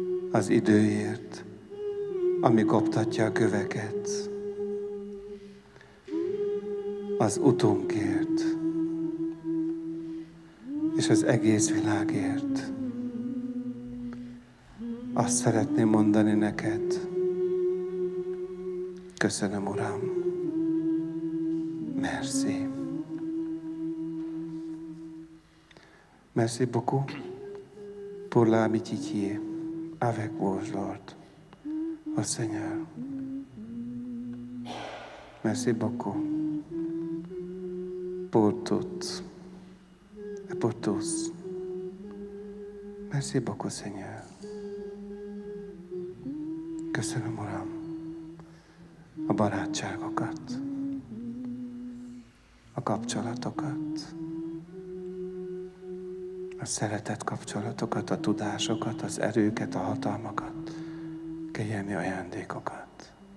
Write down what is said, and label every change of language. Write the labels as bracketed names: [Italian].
[Hungarian] Az időért, ami koptatja a köveket, az utunkért, és az egész világért. Azt szeretném mondani neked, köszönöm, Uram, merci. [French] Merci beaucoup pour l'amitié. Avec vous, Lord, au Seigneur. Merci beaucoup pour toutes et pour tous. Merci beaucoup, Seigneur. [Hungarian] Köszönöm, Uram, a barátságokat, a kapcsolatokat, a szeretet kapcsolatokat, a tudásokat, az erőket, a hatalmakat, kegyelmi ajándékokat.